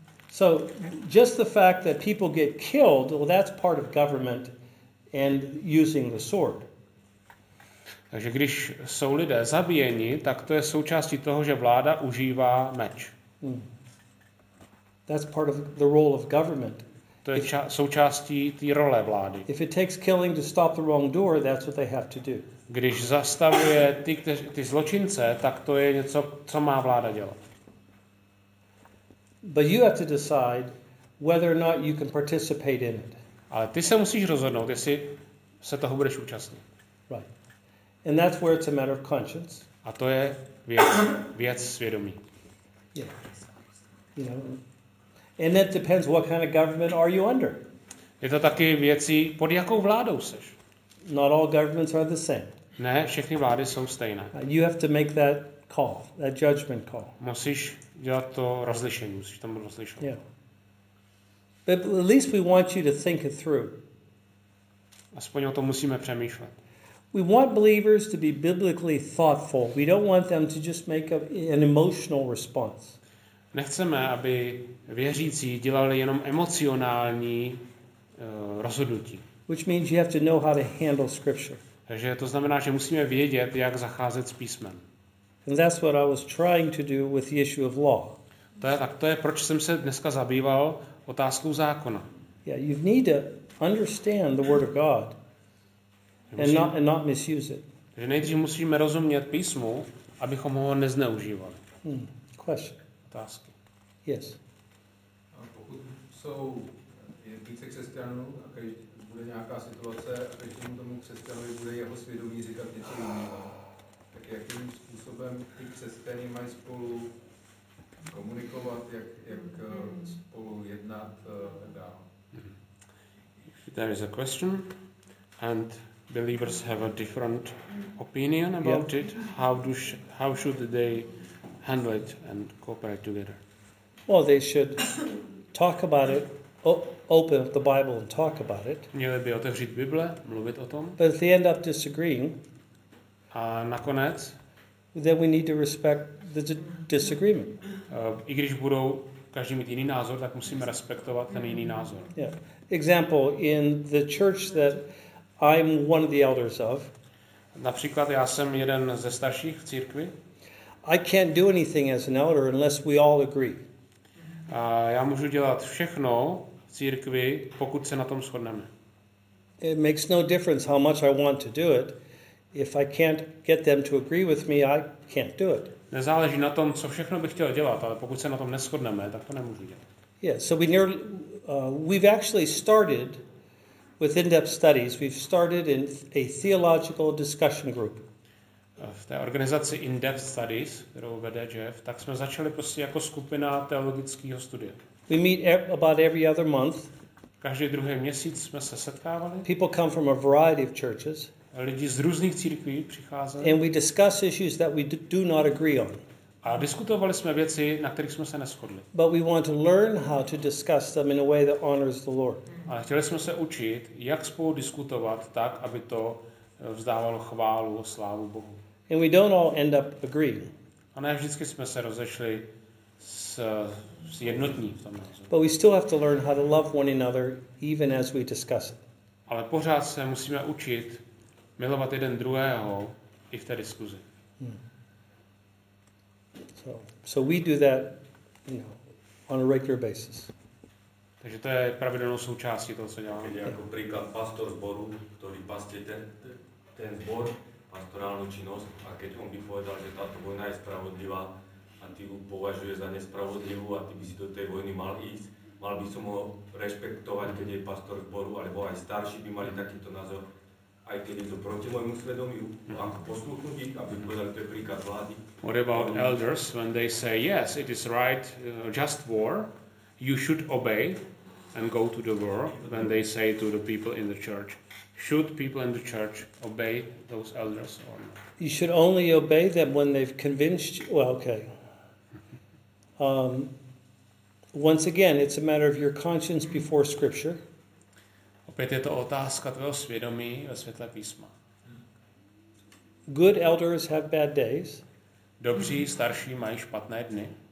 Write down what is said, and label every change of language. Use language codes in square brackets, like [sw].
[en] So just the fact that people get killed, well, that's part of government and using the sword. [cs] Takže když jsou lidé zabíjeni, tak to je součástí toho, že vláda užívá meč. Mm. [en] That's part of the role of government. [cs] To je součástí té role vlády. [en] If it takes killing to stop the wrongdoer, that's what they have to do. [cs] Když zastavuje ty zločince, tak to je něco, co má vláda dělat. [en] But you have to decide whether or not you can participate in it. [cs] Ale ty se musíš rozhodnout, jestli se toho budeš účastnit. [en] Right. And that's where it's a matter of conscience. [cs] A to je věc svědomí. [en] Yeah. You know. And that depends what kind of government are you under. [cs] Je to taky věcí, pod jakou vládou seš. [en] Not all governments are the same. [cs] Ne, všechny vlády jsou stejné. [en] You have to make that call, that judgment call. [cs] Musíš dělat to rozlišení, musíš tam rozlišovat. [en] Yeah. But at least we want you to think it through. [cs] Aspoň o tom musíme přemýšlet. [en] We want believers to be biblically thoughtful. We don't want them to just make an emotional response. [cs] Nechceme, aby věřící dělali jenom emocionální rozhodnutí. [en] Which means you have to know how to handle scripture. [cs] Takže to znamená, že musíme vědět, jak zacházet s písmem. [en] And that's what I was trying to do with the issue of law. [cs] To je proč jsem se dneska zabýval otázkou zákona. [en] Yeah, you need to understand the word of God and not misuse it. [cs] Takže nejdřív musíme rozumět písmu, abychom ho nezneužívali. [en] Question. [cs] Otázky. [en] Yes. [cs] A pokud jsou více křesťanů a když bude nějaká situace a když tomu křesťanovi bude jeho svědomí říkat něco jiného, tak jakým způsobem ty křesťany mají spolu komunikovat, jak spolu jednat a dál? [en] There is a question and believers have a different opinion about it. How should they handle it and cooperate together? Well, they should talk about it, open up the Bible and talk about it. [cs] Měli by otevřít Bible, mluvit o tom. [en] But if they end up disagreeing, [cs] a nakonec, [en] then we need to respect the disagreement. [cs] I když budou každý mít jiný názor, tak musíme respektovat ten jiný názor. [en] Yeah. Example, in the church that I'm one of the elders of, [cs] například já jsem jeden ze starších v církvi, [en] I can't do anything as an elder unless we all agree. [cs] A já můžu dělat všechno v církvi, pokud se na tom shodneme. [en] It makes no difference how much I want to do it. If I can't get them to agree with me, I can't do it. [cs] Nezáleží na tom, co všechno bych chtěl dělat, ale pokud se na tom neshodneme, tak to nemůžu dělat. [en] Yeah, so we've actually started with in-depth studies. We've started in a theological discussion group. [cs] V té organizaci In-Depth Studies, kterou vede Jeff, tak jsme začali prostě jako skupina teologického studia. [en] We meet about every other month. [cs] Každý druhý měsíc jsme se setkávali. [en] People come from a variety of churches. [cs] Lidi z různých církví přicházeli. [en] And we discuss issues that we do not agree on. [cs] A diskutovali jsme věci, na kterých jsme se neshodli. [en] But we want to learn how to discuss them in a way that honors the Lord. [cs] A chtěli jsme se učit, jak spolu diskutovat tak, aby to vzdávalo chválu a slávu Bohu. [en] And we don't all end up agreeing. [cs] A ne vždycky jsme se rozešli s jednotní v tom názoru. [en] But we still have to learn how to love one another even as we discuss it. [cs] Ale pořád se musíme učit milovat jeden druhého i v té diskuzi. [en] So we do that, you know, on a regular basis. [cs] Takže to je pravidelnou součástí toho, co děláme. [sk] Když jako příklad pastor zboru, který pastí ten zbor, pastorální činnost, a když on by povedal, že tato vojna je spravodlivá a ty ho považuje za nespravodlivou a ty by si do té vojny mal jít, mal by som ho respektovat, keď je pastor zboru, alebo aj starší by mali takýto názor, aj keď je to proti mojemu svedomiu, ako posluchnúť, aby povedal, to je príklad vlády. [en] What about elders, when they say, yes, it is right, just war, you should obey and go to the war, when they say to the people in the church, should people in the church obey those elders or not? You should only obey them when they've convinced you. Well, okay. Once again, it's a matter of your conscience before scripture. [cs] Opět je to otázka tvého svědomí ve světle písma. [en] Good elders have bad days. [cs] Dobří starší mají špatné dny.